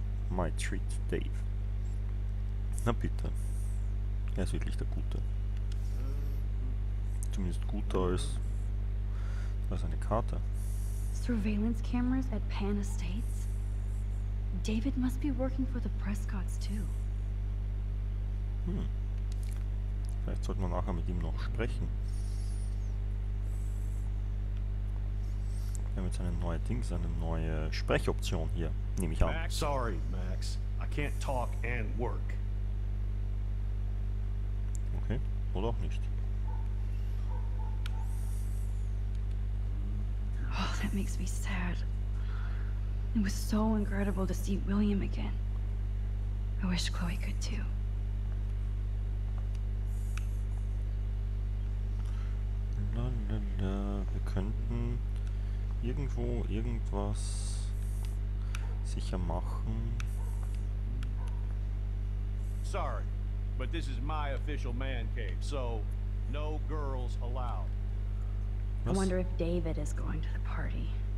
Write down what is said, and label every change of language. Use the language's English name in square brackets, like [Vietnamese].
[English] My treat, Dave. [German] Na bitte. Er ist wirklich der Gute. Zumindest guter als eine Karte. [English] Surveillance cameras at Pan Estates? David must be working for the Prescotts too. Hm. [German] Vielleicht sollten wir nachher mit ihm noch sprechen. Wir haben jetzt eine neue Sprechoption hier, nehme ich an. [English] Max, sorry, Max. I can't talk and work. [German] Okay, oder auch nicht. [English] Oh, that makes me sad. It was so incredible to see William again. I wish Chloe could too. [German] Na, na, na, wir könnten irgendwo irgendwas sicher machen. [English] Sorry, but this is my official man cave, so no girls allowed. [German] Was? [English] I wonder if David is going to the party.